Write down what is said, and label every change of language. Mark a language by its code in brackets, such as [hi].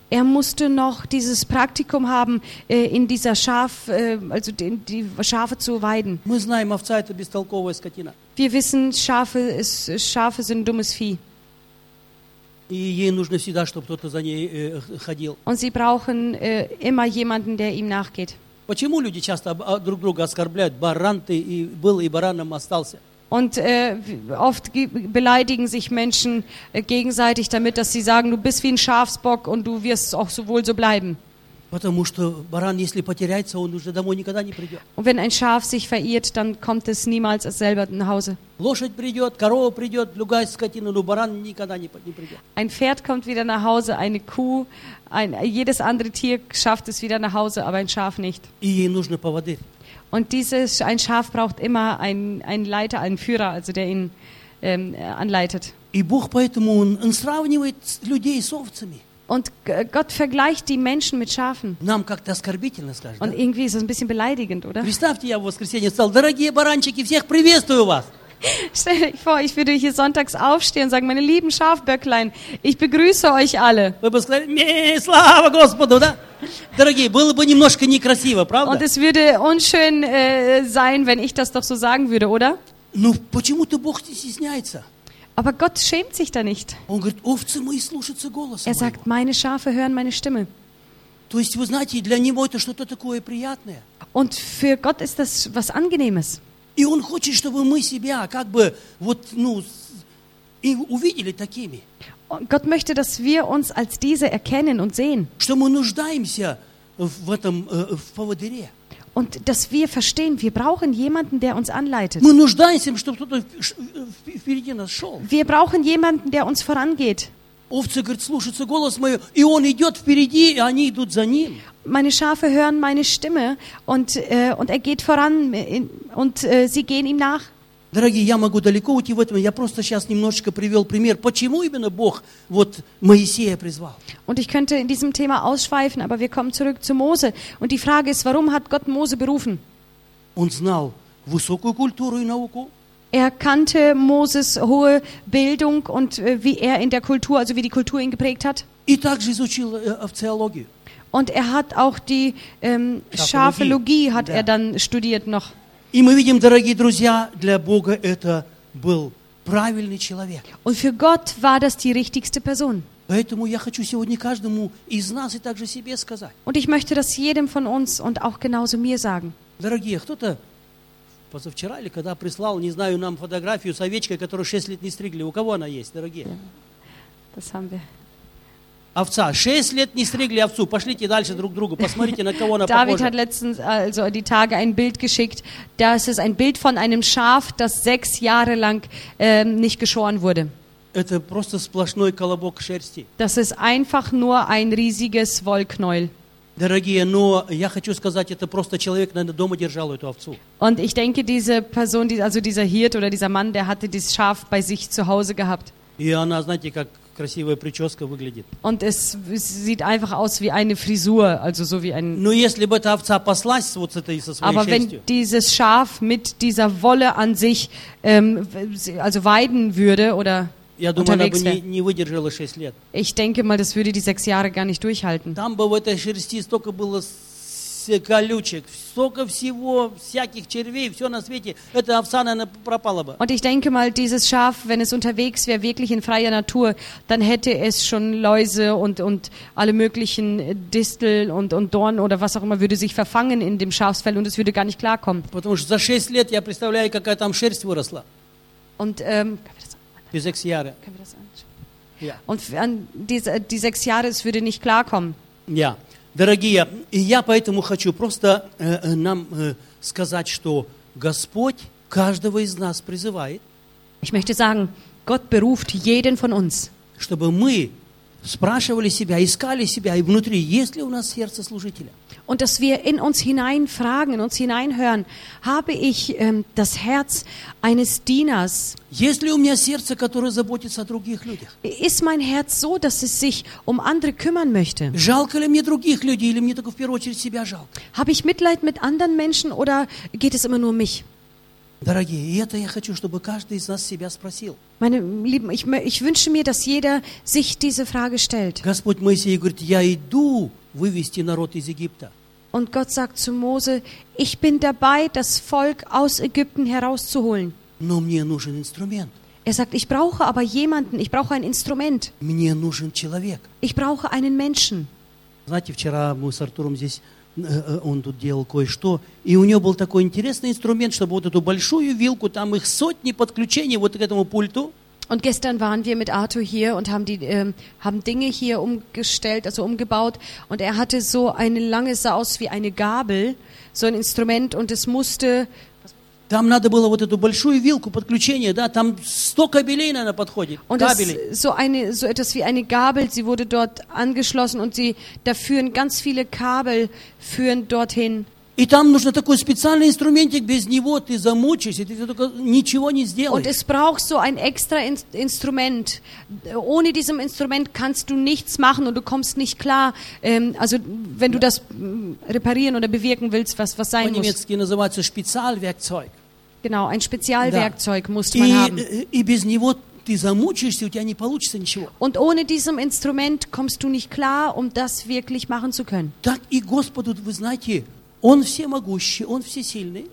[de] Er musste noch dieses Praktikum haben, in dieser Schaf, also die Schafe zu weiden. [ru] Мы знаем, овца это бестолковая скотина. [de] Wir wissen, Schafe sind dummes Vieh. [ru] И ей нужно всегда, чтобы кто-то за ней ходил. [de] Und sie brauchen immer jemanden, der ihm nachgeht. [ru] Почему люди часто друг друга оскорбляют? Баран ты и был, и бараном остался. [de] Und oft beleidigen sich Menschen gegenseitig damit, dass sie sagen, du bist wie ein Schafsbock und du wirst auch wohl so bleiben. [ru] Потому что баран, если потеряется, он уже домой никогда не придет. [de] Und wenn ein Schaf sich verirrt, dann kommt es niemals selber nach Hause. [ru] Лошадь придет, корова придет, другая скотина, но баран никогда не придет. [de] Ein Pferd kommt wieder nach Hause, eine Kuh, jedes andere Tier schafft es wieder nach Hause, aber ein Schaf nicht. [ru] И ей нужно поводырь. [de] Und dieses, ein Schaf braucht immer einen Leiter, einen Führer, also der ihn anleitet. [ru] И Бог поэтому он сравнивает людей с овцами. [de] Und Gott vergleicht die Menschen mit Schafen. [ru] Нам как-то оскорбительно, скажешь, [de] und [ru] да? [de] Irgendwie ist es ein bisschen beleidigend, oder? [ru] Представьте, я в воскресенье встал, дорогие баранчики, всех приветствую вас. [de] Stell dir vor, ich würde hier sonntags aufstehen und sagen, meine lieben Schafböcklein, ich begrüße euch alle. [ru] Вы бы сказали, мее, слава Господу, да? Дорогие, было бы немножко некрасиво, правда? [de] Und es würde unschön sein, wenn ich das doch so sagen würde, oder? [ru] Ну, почему-то Бог стесняется. [de] Aber Gott schämt sich da nicht. [ru] Он говорит, овцы мои слушаются голоса моего. [de] Er sagt, meine Schafe hören meine Stimme. [ru] То есть, вы знаете, для него это что-то такое приятное. [de] Und für Gott ist das was Angenehmes. [ru] И он хочет, чтобы мы себя как бы вот, ну, и увидели такими. [de] Und Gott möchte, dass wir uns als diese erkennen und sehen. [ru] Что мы нуждаемся в этом в поводыре. [de] Und dass wir verstehen, wir brauchen jemanden, der uns anleitet. [ru] Мы нуждаемся, чтобы кто-то впереди нас шел. [de] Wir brauchen jemanden, der uns vorangeht. [ru] Овцы, говорит, слушаются голос мой, и он идет впереди, и они идут за ним. [de] Meine Schafe hören meine Stimme, und er geht voran, und sie gehen ihm nach. [ru] Дорогие, я могу далеко уйти в этом, я просто сейчас немножечко привел пример, почему именно Бог вот Моисея призвал. [de] Und ich könnte in diesem Thema ausschweifen, aber wir kommen zurück zu Mose. Und die Frage ist, warum hat Gott Mose berufen? [ru] Он знал высокую культуру и науку. [de] Er kannte Moses hohe Bildung und wie er in der Kultur, also wie die Kultur ihn geprägt hat. [ru] И также изучил теологию. [de] Und er hat auch die Schafologie hat er dann studiert noch. [ru] И мы видим, дорогие друзья, для Бога это был правильный человек. [de] Und für Gott war das die richtigste Person. [ru] Поэтому я хочу сегодня каждому из нас и также себе сказать. [de] Und ich möchte das jedem von uns und auch genauso mir sagen. [ru] Дорогие, кто-то позавчера или когда прислал, не знаю, нам фотографию с овечкой, которую 6 лет не стригли. У кого она есть, дорогие? [de] Das haben wir. [ru] Овца. 6 лет не стригли овцу. Пошлите дальше друг другу. Посмотрите, на кого она похожа. [de] David hat letztens also die Tage ein Bild geschickt. Das ist ein Bild von einem Schaf, das 6 Jahre lang nicht geschoren wurde. [ru] Это просто сплошной колобок шерсти. [de] Das ist einfach nur ein riesiges Wollknäuel. [ru] Дорогие, но я хочу сказать, это просто человек, наверное, дома держал эту овцу. [de] Und ich denke, diese Person, also dieser Hirte oder dieser Mann, der hatte dieses Schaf bei sich zu Hause gehabt. [ru] И она, знаете, как красивая прическа выглядит. [de] Und es sieht einfach aus wie eine Frisur, also so wie ein. [ru] Но если бы эта овца паслась вот с этой со своей шерстью. [de] Aber wenn dieses Schaf mit dieser Wolle an sich, also weiden würde oder. [ru] Я думаю, она бы не выдержала 6 лет. [de] Ich denke mal, das würde die 6 Jahre gar nicht durchhalten. [ru] Там бы в этой шерсти столько было колючек, столько всего, всяких червей, все на свете. Эта овца, наверное, пропала бы. [de] Und ich denke mal, dieses Schaf, wenn es unterwegs wäre, wirklich in freier Natur, dann hätte es schon Läuse und alle möglichen Disteln und Dornen oder was auch immer würde sich verfangen in dem Schafsfell und es würde gar nicht klarkommen. [ru] Потому что за 6 лет я представляю, какая там шерсть выросла. [de] Und Die 6 Jahre. Und an die 6 Jahre, es würde nicht klarkommen. Ja, [ru] дорогие, я поэтому хочу просто нам сказать, что Господь каждого из нас призывает. [de] Ich möchte sagen, Gott beruft jeden von uns. [ru] Чтобы мы спрашивали себя, искали себя, и внутри есть ли у нас сердце служителя. [de] Und dass wir in uns hinein fragen, in uns hineinhören, habe ich das Herz eines Dieners? [ru] Есть ли у меня сердце, которое заботится о других людях? [de] Ist mein Herz so, dass es sich um andere kümmern möchte? [ru] Жалко ли мне других людей, или мне только в первую очередь себя жалко? [de] Habe ich Mitleid mit anderen Menschen, oder geht es immer nur um mich? [ru] Дорогие, и это я хочу, чтобы каждый из нас себя спросил. [de] Meine Lieben, ich wünsche mir, dass jeder sich diese Frage stellt. [ru] Господь Моисей говорит, я иду вывести народ из Египта. [de] Und Gott sagt zu Mose, ich bin dabei, das Volk aus Ägypten herauszuholen. [ru] Но мне нужен инструмент. [de] Er sagt, ich brauche aber jemanden, ich brauche ein Instrument. [ru] Мне нужен человек. [de] Ich brauche einen Menschen. [ru] Знаете, вчера мы с Артуром здесь... Он тут делал кое-что, и у него был такой интересный инструмент, чтобы вот эту большую вилку, там их сотни подключений вот к этому пульту. [de] Und gestern waren wir mit Arthur hier und haben die haben Dinge hier umgestellt, also umgebaut, und er hatte so eine lange, sah aus wie eine Gabel, so ein Instrument, und es musste. [ru] Там надо было вот эту большую вилку подключения, да, там 100 кабелей она подходит. Кабели. [de] So eine, so etwas wie eine Gabel, sie wurde dort angeschlossen und sie, da führen ganz viele Kabel führen dorthin. [ru] И там нужно такой специальный инструментик, без него ты замучишься, ты только ничего не сделаешь. [de] Und es braucht so ein extra Instrument. Ohne diesem Instrument kannst du nichts machen und du kommst nicht klar. Also wenn du das reparieren oder bewirken willst, was sein muss. [ru] По-немецки называется Spezialwerkzeug. [de] Genau, ein Spezialwerkzeug muss man haben. [ru] И без него ты замучишься, у тебя не получится ничего. [de] Und ohne diesem Instrument kommst du nicht klar, um das wirklich machen zu können. [ru] Так и Господу, вы знаете. Он всемогущий, он всесильный.